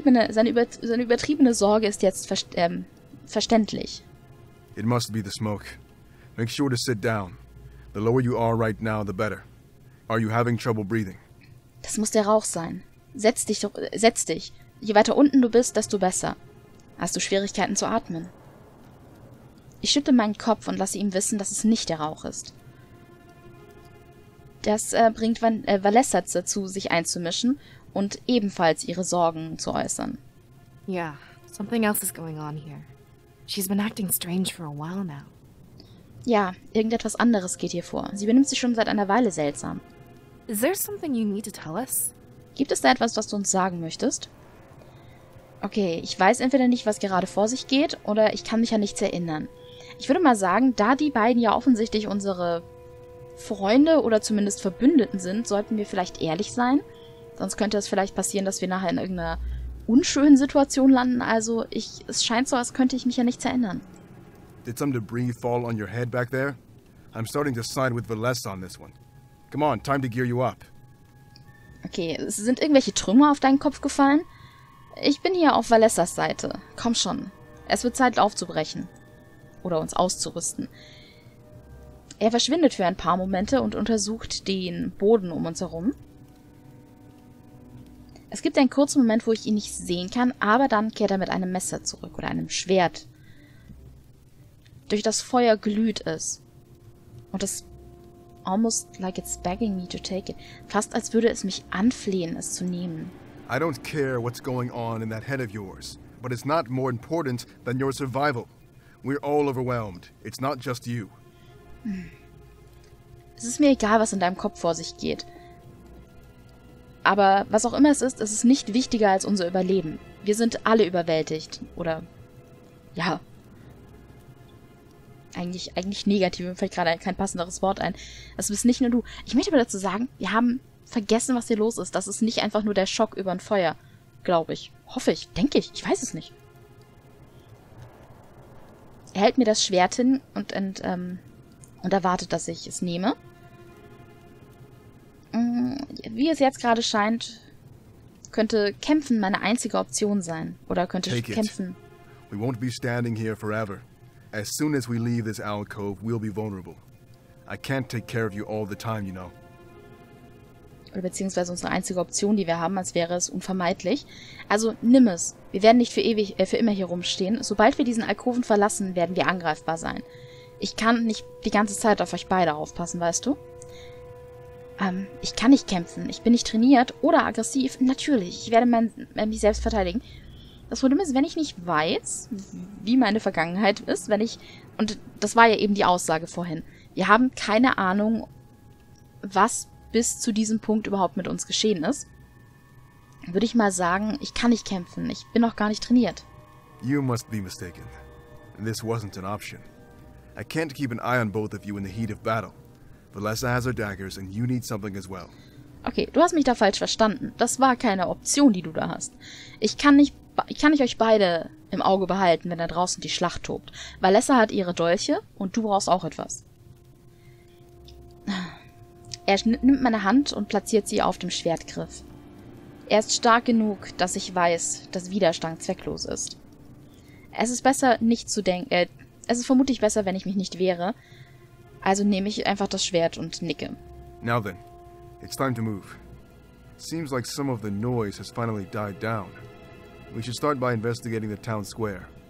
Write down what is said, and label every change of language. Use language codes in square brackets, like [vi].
[de] Seine übertriebene Sorge ist jetzt verständlich. [en] It must be the smoke. Make sure to sit down. The lower you are right now, the better. Are you having trouble breathing? [de] Das muss der Rauch sein. Setz dich. Je weiter unten du bist, desto besser. Hast du Schwierigkeiten zu atmen? Ich schütte meinen Kopf und lasse ihm wissen, dass es nicht der Rauch ist. Das bringt Valessa dazu, sich einzumischen und ebenfalls ihre Sorgen zu äußern. [en] Yeah, something else is going on here. She's been acting strange for a while now. [de] Ja, irgendetwas anderes geht hier vor. Sie benimmt sich schon seit einer Weile seltsam. [en] Is there something you need to tell us? [de] Gibt es da etwas, was du uns sagen möchtest? Okay, ich weiß entweder nicht, was gerade vor sich geht, oder ich kann mich an nichts erinnern. Ich würde mal sagen, da die beiden ja offensichtlich unsere Freunde oder zumindest Verbündeten sind, sollten wir vielleicht ehrlich sein. Sonst könnte es vielleicht passieren, dass wir nachher in irgendeiner unschönen Situation landen. Also, es scheint so, als könnte ich mich an nichts erinnern. [en] Did some debris fall on your head back there? I'm starting to side with Valessa on this one. Come on, time to gear you up. [de] Okay, sind irgendwelche Trümmer auf deinen Kopf gefallen? Ich bin hier auf Valessas Seite. Komm schon. Es wird Zeit aufzubrechen. Oder uns auszurüsten. Er verschwindet für ein paar Momente und untersucht den Boden um uns herum. Es gibt einen kurzen Moment, wo ich ihn nicht sehen kann, aber dann kehrt er mit einem Messer zurück oder einem Schwert. Durch das Feuer glüht es. Und es [en] almost like it's begging me to take it. [de] Fast als würde es mich anflehen, es zu nehmen. [en] I don't care what's going on in that head of yours, but it's not more important than your survival. We're all overwhelmed. It's not just you. [de] Es ist mir egal, was in deinem Kopf vor sich geht. Aber was auch immer es ist nicht wichtiger als unser Überleben. Wir sind alle überwältigt, oder? Ja. Eigentlich negativ, mir fällt gerade kein passenderes Wort ein. Das bist nicht nur du. Ich möchte aber dazu sagen, wir haben vergessen, was hier los ist. Das ist nicht einfach nur der Schock über ein Feuer, glaube ich. Hoffe ich, denke ich, ich weiß es nicht. Er hält mir das Schwert hin und erwartet, dass ich es nehme. wie es jetzt gerade scheint, könnte Kämpfen meine einzige Option sein. Oder könnte [en] Take [de] ich kämpfen. [en] It. We won't be standing here forever. As soon as we leave this alcove, we'll be vulnerable. I can't take care of you all the time, you know. [de] Oder beziehungsweise unsere einzige Option, die wir haben, als wäre es unvermeidlich. Also nimm es. Wir werden nicht für immer hier rumstehen. Sobald wir diesen Alkoven verlassen, werden wir angreifbar sein. Ich kann nicht die ganze Zeit auf euch beide aufpassen, weißt du? Ich kann nicht kämpfen. Ich bin nicht trainiert oder aggressiv. Natürlich, ich werde mich selbst verteidigen. Das Problem ist, wenn ich nicht weiß, wie meine Vergangenheit ist, wenn ich... Und das war ja eben die Aussage vorhin. Wir haben keine Ahnung, was bis zu diesem Punkt überhaupt mit uns geschehen ist. Würde ich mal sagen, ich kann nicht kämpfen. Ich bin noch gar nicht trainiert. [en] You must be mistaken. This wasn't an option. I can't keep an eye on both of you in the heat of battle. Valessa has her daggers and you need something as well. [de] Okay, du hast mich da falsch verstanden. Das war keine Option, die du da hast. Ich kann nicht euch beide im Auge behalten, wenn da draußen die Schlacht tobt. Valessa hat ihre Dolche und du brauchst auch etwas. Er nimmt meine Hand und platziert sie auf dem Schwertgriff. Er ist stark genug, dass ich weiß, dass Widerstand zwecklos ist. Es ist besser, nicht zu denken. Es ist vermutlich besser, wenn ich mich nicht wehre. Also nehme ich einfach das Schwert und nicke. [en] Now then, it's time to move. Seems like some of the noise has finally died down. We should start by investigating the town square.